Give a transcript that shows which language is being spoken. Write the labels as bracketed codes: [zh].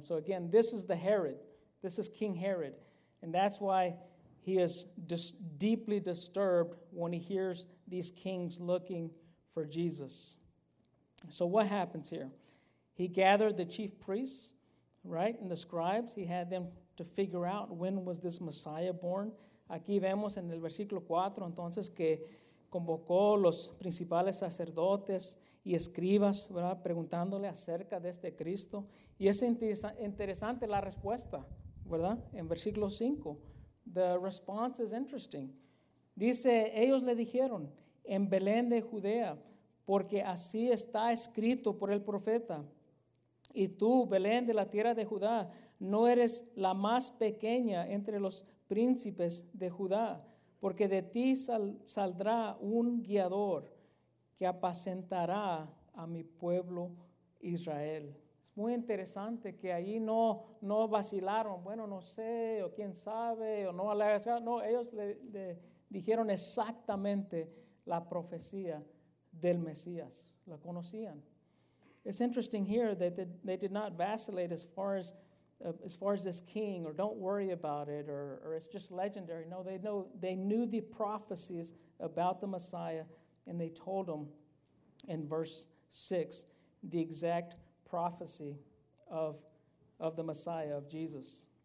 [en] So again, this is the Herod. This is King Herod. And that's why he is deeply disturbed when he hears these kings looking for Jesus. So what happens here? He gathered the chief priests, right, and the scribes. He had them to figure out when was this Messiah born. [es] Aquí vemos en el versículo 4, entonces, que convocó los principales sacerdotes y escribas, ¿verdad?, preguntándole acerca de este Cristo. Y es interesante la respuesta, ¿verdad?, en versículo 5. [en] The response is interesting. [es] Dice, ellos le dijeron, en Belén de Judea, porque así está escrito por el profeta. Y tú, Belén de la tierra de Judá, no eres la más pequeña entre los príncipes de Judá, porque de ti saldrá un guiador que apacentará a mi pueblo Israel. Es muy interesante que ahí no vacilaron, bueno, no sé, o quién sabe, o no, no, ellos le dijeron exactamente la profecía del Mesías, la conocían. [en] It's interesting here that they did not vacillate as far as this king, or don't worry about it, or it's just legendary. No, they knew the prophecies about the Messiah, and they told him in verse 6 the exact prophecy of the Messiah, of Jesus.